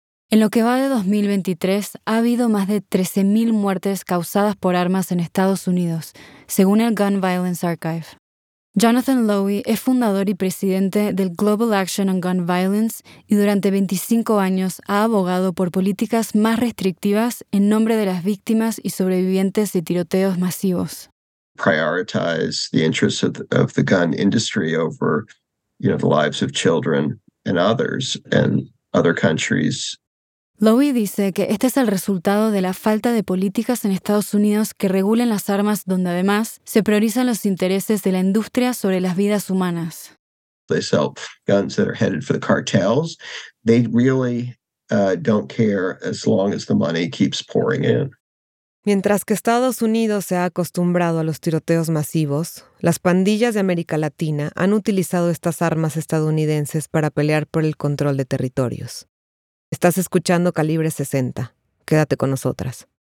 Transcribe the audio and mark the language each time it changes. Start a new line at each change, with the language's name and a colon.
Spanish: En lo que va de 2023, ha habido más de 13.000 muertes causadas por armas en Estados Unidos, según el Gun Violence Archive. Jonathan Lowy es fundador y presidente del Global Action on Gun Violence y durante 25 años ha abogado por políticas más restrictivas en nombre de las víctimas y sobrevivientes de tiroteos masivos.
English: Prioritize the interests of the gun industry over, you know, the lives of children and others and other countries.
Spanish: Lowy dice que este es el resultado de la falta de políticas en Estados Unidos que regulen las armas, donde además se priorizan los intereses de la industria sobre las vidas humanas.
English: They sell guns that are headed for the cartels. They really don't care as long as the money keeps pouring in.
Spanish: Mientras que Estados Unidos se ha acostumbrado a los tiroteos masivos, las pandillas de América Latina han utilizado estas armas estadounidenses para pelear por el control de territorios. Estás escuchando Calibre 60. Quédate con nosotras.